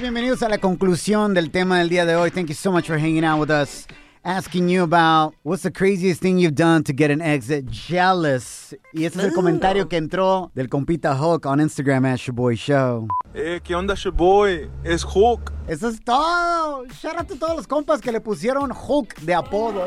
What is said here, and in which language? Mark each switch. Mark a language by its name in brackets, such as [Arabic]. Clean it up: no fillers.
[Spanish] Bienvenidos a la conclusión del tema del día de hoy. [English] Thank you so much for hanging out with us. Asking you about what's the craziest thing you've done to get an ex jealous. [Spanish] Y ese es el comentario que entró del compita Hulk [English] on Instagram at Shiboy Show. [Spanish] ¿Qué onda, Shiboy? Es Hulk. Eso es todo. [English] Shout out [Spanish] a todos los compas que le pusieron Hulk de apodo.